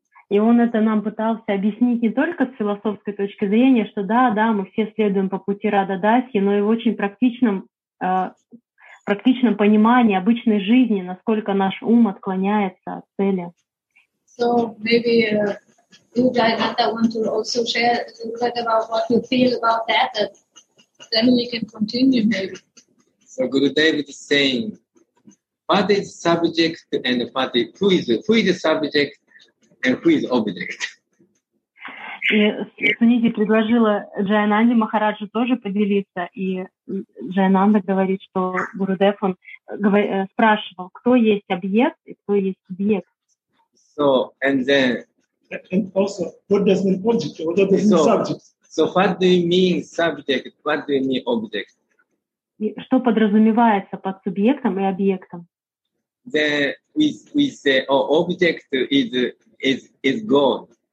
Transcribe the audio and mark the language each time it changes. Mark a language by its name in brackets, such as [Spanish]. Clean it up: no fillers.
[Russian] И он это нам пытался объяснить не только с философской точки зрения, что да, да, мы все следуем по пути Радха Дасьи, но и в очень практичном понимании обычной жизни, насколько наш ум отклоняется от цели. [English] So maybe you, Jayananda, want to also share a little bit about what you feel about that, that then we can continue maybe. So Gurudev is saying, what is subject and what is, who is subject? [Russian] И Сунити предложила Джайананде Махараджу тоже поделиться, и Джайананда говорит, что Гурудев он спрашивал, кто есть объект и кто есть субъект. [English] So and then and also what does mean object? What does mean subject? So what do you mean subject? What do you mean object? [Russian] И что подразумевается под субъектом и объектом? [English] Then we say, oh, object is God.